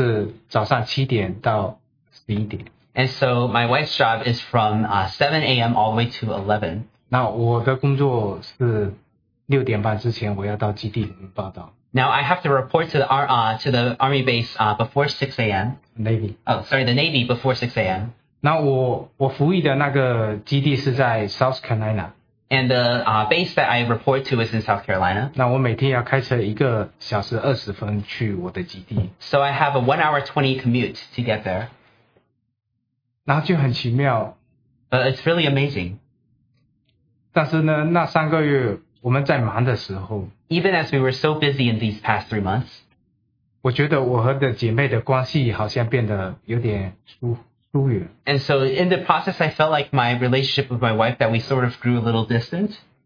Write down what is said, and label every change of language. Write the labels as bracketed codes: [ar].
[zh] 那我看着楠楠，她因为我们的工，她的工作是早上7点到11点。 [en] And so my wife's job is from 7 a.m. all the way to 11. [zh] 那我的工作是6点半之前，我要到基地报道。 [en] Now I have to report to the army base before 6 a.m. Navy. Oh, sorry, the Navy before 6 a.m. [zh] 那我服役的那个基地是在 South Carolina. [en] And the base that I report to is in South Carolina. [zh] 那我每天要开车1小时20分去我的基地。 [en] So I have a 1-hour 20 commute to get there. [zh] 然后就很奇妙。 [en] But it's really amazing. [zh] 但是呢，那3个月。我们在忙的时候, [en] even as we were so busy in these past 3 months, [zh] 我觉得我和姐妹的关系好像变得有点疏远。 [en] And so in the process, I felt like my relationship with my wife, that we sort of grew a little distant.